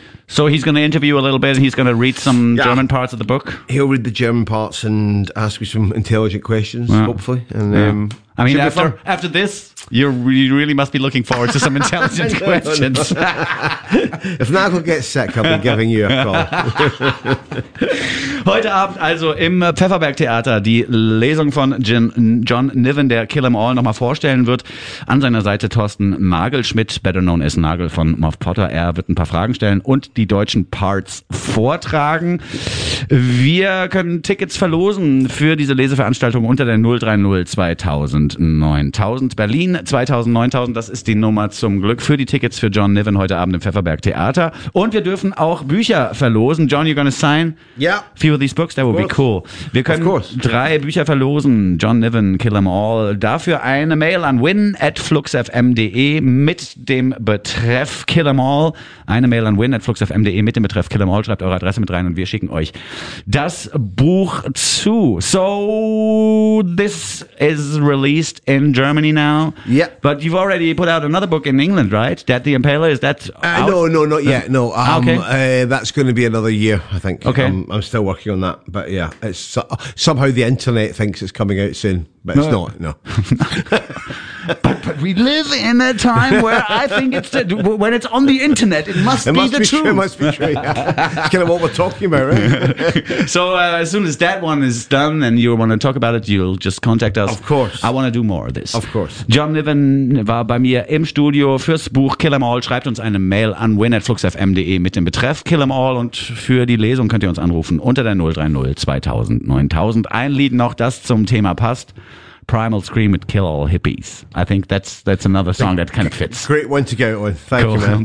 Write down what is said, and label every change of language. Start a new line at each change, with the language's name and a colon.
English: So he's going to interview a little bit and he's going to read some German parts of the book? He'll read the German parts and ask me some intelligent questions, hopefully. And I mean, after this, you really must be looking forward to some intelligent questions. If Nagel gets sick, I'll be giving you a call.
German: Heute Abend also im Pfefferberg Theater die Lesung von John Niven, der Kill 'Em All nochmal vorstellen wird. An seiner Seite Thorsten Nagelschmidt,
English: better known as
German: Nagel von Moff Potter. Er wird ein paar Fragen stellen und die deutschen Parts vortragen. Wir können Tickets verlosen für diese Leseveranstaltung unter der 030 2000 9000. Berlin 2000 9000, das ist die Nummer zum Glück für die Tickets für John Niven heute Abend im Pfefferberg Theater. Und wir dürfen auch Bücher verlosen.
English: John, you're gonna sign? Yeah. Few of these books, that would be cool.
German: Wir können drei Bücher verlosen. John Niven, Kill 'Em All. Dafür eine Mail an win@fluxfm.de mit dem Betreff Kill 'Em All. Eine Mail an win@fluxfm.de mit dem Betreff Kill 'Em All. Schreibt eure Adresse mit rein und wir schicken euch das Buch zu.
English: So, this is released in Germany now. Yeah. But you've already put out another book in England, right? Dead the Impaler, is that out? No, not yet. No. That's going to be another year, I think. Okay. I'm still working on that. But yeah, it's somehow the internet thinks it's coming out soon. But it's not, no. but we live in a time where I think when it's on the internet, it must be the truth. It must be true, yeah. It's kind of what we're talking about, right? So as soon as that one is done and you want to talk about it, you'll just contact us. Of course. I want to do more of this. Of course.
German: John Niven war bei mir im Studio fürs Buch Kill 'Em All. Schreibt uns eine Mail an win@fluxfm.de mit dem Betreff Kill 'Em All. Und für die Lesung könnt ihr uns anrufen unter der 030 2000 9000. Ein Lied noch, das zum Thema passt. Primal Scream would kill all hippies.
English: I think that's another song that kind of fits. Great one to go with. Thank you, man.